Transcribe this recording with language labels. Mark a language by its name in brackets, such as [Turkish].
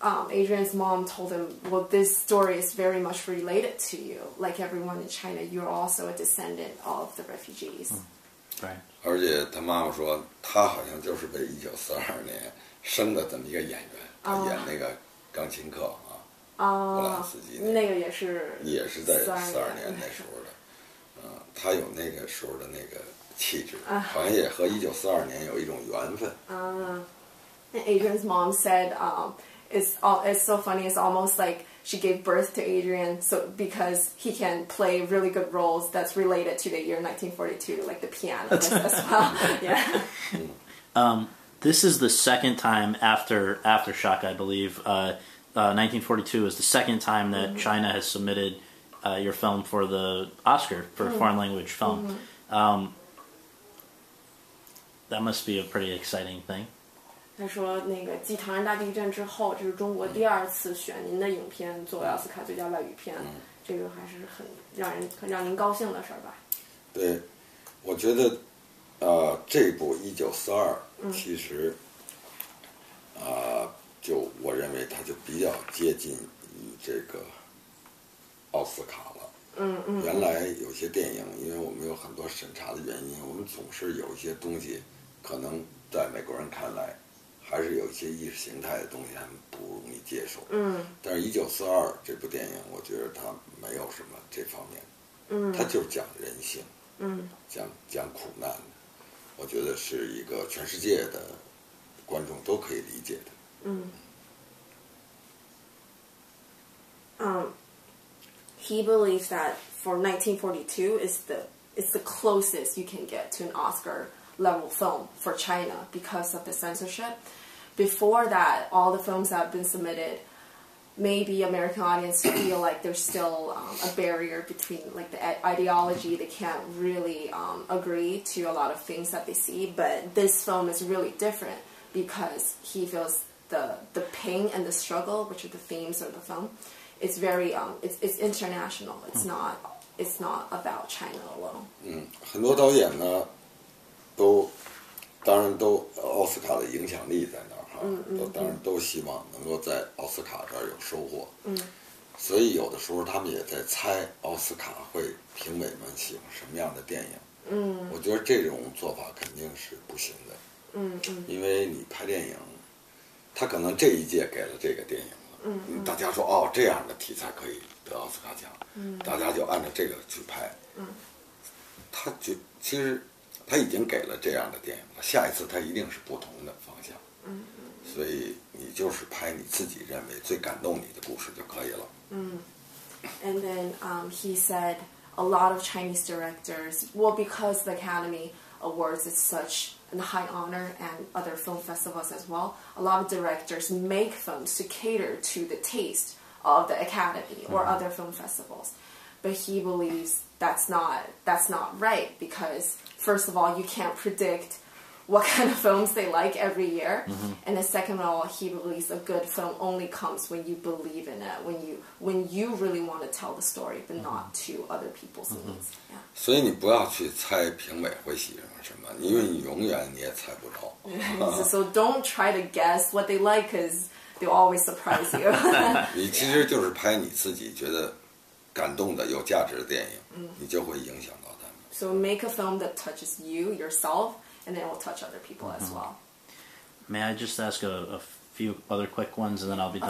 [English] Adrian's mom told him, well, this story is very much related to you. Like everyone in China, you're also a descendant of the refugees. Right. [Chinese] 而且他妈妈说，他好像就是被1942年生的这么一个演员，他演那个钢琴课啊，波兰斯基那个也是在42年那时候的，他有那个时候的那个气质，好像也和1942年有一种缘分。 Adrian's mom said, it's so funny. It's almost like she gave birth to Adrian, so because he can play really good roles that's related to the year 1942, like the piano as well. This is the second time after Aftershock, I believe. 1942 is the second time that China has submitted your film for the Oscar for foreign language film. That must be a pretty exciting thing. 他说那个继唐山大地震之后，这是中国第二次选您的影片作为奥斯卡最佳外语片，这个还是很让您高兴的事儿吧。对，我觉得这部1942其实就我认为它就比较接近于这个奥斯卡了。原来有些电影因为我们有很多审查的原因，我们总是有一些东西可能在美国人看来还是有一些意识形态的东西他们不容易接受，嗯，但是1942这部电影我觉得它没有什么这方面，嗯，它就是讲人性，嗯，讲苦难，我觉得是一个全世界的观众都可以理解的。 [English] 嗯，he believes that for 1942 is the closest you can get to an Oscar level film for China because of the censorship. Before that, all the films that have been submitted, maybe American audience feel like there's still a barrier between like the ideology. They can't really agree to a lot of things that they see. But this film is really different because he feels the pain and the struggle, which are the themes of the film. It's very, it's international. It's not about China alone. [Chinese] 嗯，很多导演呢，都，当然都奥斯卡的影响力在那儿哈，都当然都希望能够在奥斯卡这儿有收获。嗯，所以有的时候他们也在猜奥斯卡会评委们喜欢什么样的电影。嗯，我觉得这种做法肯定是不行的。嗯，因为你拍电影，他可能这一届给了这个电影。嗯，大家说哦，这样的题材可以得奥斯卡奖，嗯，大家就按照这个去拍，嗯，他就其实他已经给了这样的电影了，下一次他一定是不同的方向，嗯，所以你就是拍你自己认为最感动你的故事就可以了， [English] 嗯 ，and then he said a lot of Chinese directors, well, because the Academy Awards is such and high honor and other film festivals as well, a lot of directors make films to cater to the taste of the Academy or other film festivals. But he believes that's not right because, first of all, you can't predict what kind of films they like every year. Mm-hmm. And the second of all, he believes a good film only comes when you believe in it, when you really want to tell the story, but not to other people's needs. Mm-hmm. Yeah. [Chinese] 所以你不要去猜评委会喜欢什么，因为你永远你也猜不着。 [English] So don't try to guess what they like, because they'll always surprise you. [Chinese] 你其实就是拍你自己觉得感动的、有价值的电影，你就会影响到他们。 [English] So make a film that touches you, yourself,and then we'll touch other people as well. May I just ask a few other quick ones and then I'll be done?